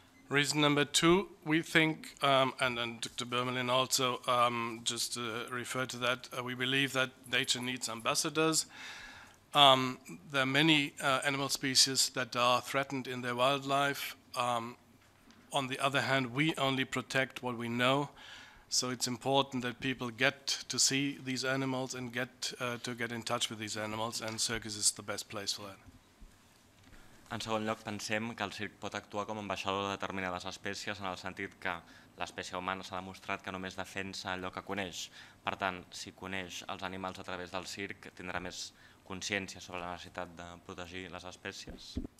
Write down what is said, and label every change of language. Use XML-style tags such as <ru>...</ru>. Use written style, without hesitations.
<en>Reason number two, we think, and Dr. Bermelin also just referred to that, we believe that nature needs ambassadors. There are many animal species that are threatened in their wildlife. On the other hand, we only protect what we know, so it's important that people get to see these animals and get to get in touch with these animals, and circus is the best place for that.</en> <ca>En segon lloc, pensem que el circ pot actuar com a ambaixador de determinades espècies, en el sentit que l'espècie humana s'ha demostrat que només defensa allò que coneix. Per tant, si coneix els animals a través del circ, tindrà més consciència sobre la necessitat de protegir les espècies.</ca>